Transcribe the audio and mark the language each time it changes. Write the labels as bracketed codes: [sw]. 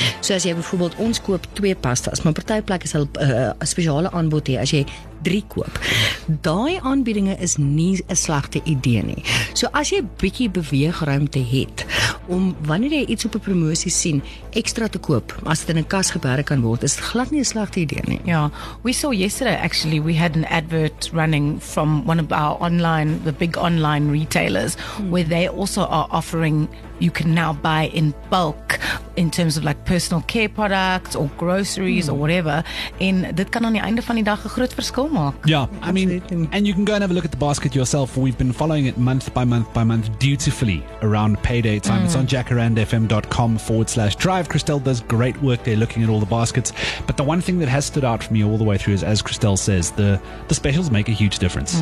[af] So as jy bijvoorbeeld, ons koop 2 pastas, maar party plek is hulle 'n spesiale aanbod hier, as jy 3 koop. Daai aanbiedinge is nie 'n slegte idee nie. So as jy bietjie beweegruimte het, om wanneer jy iets op 'n promosie sien, ekstra te koop, as dit in 'n kas geberg kan word, is glad nie 'n slegte idee nie. [en] Ja, we saw yesterday actually, we had an advert running from one of our online, the big online retailers, where they also are offering, you can now buy in bulk, in terms of like personal care products or groceries or whatever. [af] En dit kan aan die einde van die dag 'n groot verskil maak. [en] Yeah, I mean, and you can go and have a look at the basket yourself. We've been following it month by month by month dutifully around payday time. It's on jacarandfm.com/drive. Christel does great work there looking at all the baskets. But the one thing that has stood out for me all the way through is, as Christel says, the specials make a huge difference.